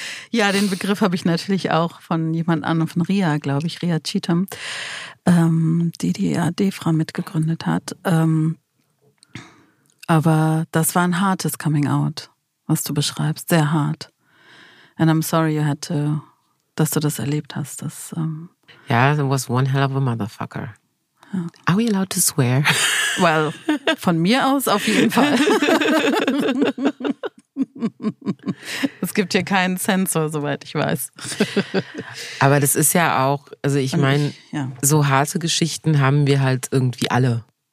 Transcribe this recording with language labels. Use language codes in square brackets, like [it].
[de] Ja, den Begriff habe ich natürlich auch von jemand anderem, von Ria, glaube ich, Ria Cheatham, die DEFRA mitgegründet hat. Aber das war ein hartes Coming Out, was du beschreibst, sehr hart. [en] And I'm sorry, you had to, [de] dass du das erlebt hast. Dass, [en] Yeah, it was one hell of a motherfucker. Ja. Are we allowed to swear? [de] Well, von mir aus auf jeden Fall. Es gibt hier keinen Sensor, soweit ich weiß. Aber das ist ja auch, also ich meine, ja, so harte Geschichten haben wir halt irgendwie alle.